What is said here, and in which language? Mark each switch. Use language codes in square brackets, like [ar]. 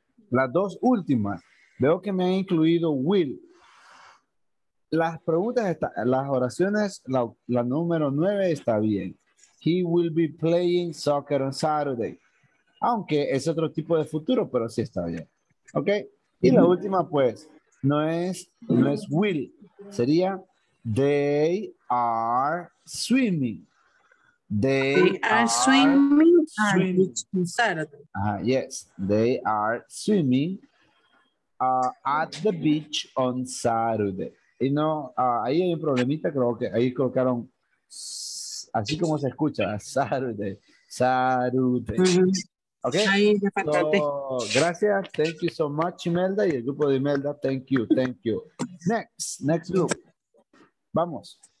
[es] Las dos últimas. Veo que me ha incluido Will. Las preguntas, las oraciones, la número 9 está bien. [en] He will be playing soccer on Saturday. [es] Aunque es otro tipo de futuro, pero sí está bien. ¿Ok? Y la última, pues, no es will. Sería, [en] they are swimming at the beach on Saturday. [es] Y no, ahí hay un problemita, creo que ahí colocaron, así como se escucha, Saturday. Uh-huh. Ok, [en] so, [es] gracias, [en] thank you so much, Imelda, [es] y el grupo de [en] Imelda, thank you. Next group, [es] vamos.